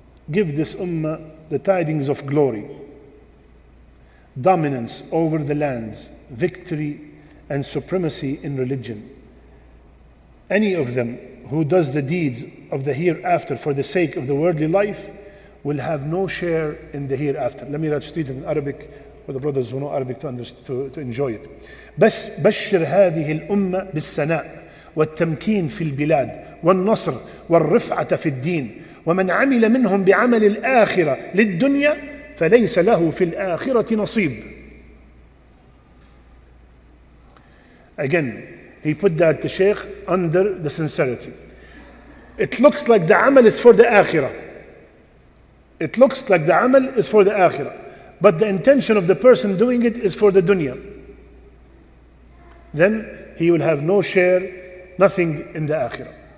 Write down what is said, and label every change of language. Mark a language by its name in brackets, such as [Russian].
[English] Give this ummah the tidings of glory, dominance over the lands, victory and supremacy in religion. Any of them who does the deeds of the hereafter for the sake of the worldly life will have no share in the hereafter. Let me just read it in Arabic for the brothers who know Arabic to enjoy it. [Arabic] بَشِّرْ هَذِهِ الْأُمَّةِ بِالسَّنَاءِ والتمكين في البلاد والنصر والرفعة في الدين ومن عمل منهم بعمل الآخرة للدنيا فليس له في الآخرة نصيب. [English] Again, he put that the sheikh under the sincerity. It looks like the amal is for the akhirah. It looks like the amal is for the akhirah. But the intention of the person doing it is for the dunya. Then he will have no share, nothing in the akhirah.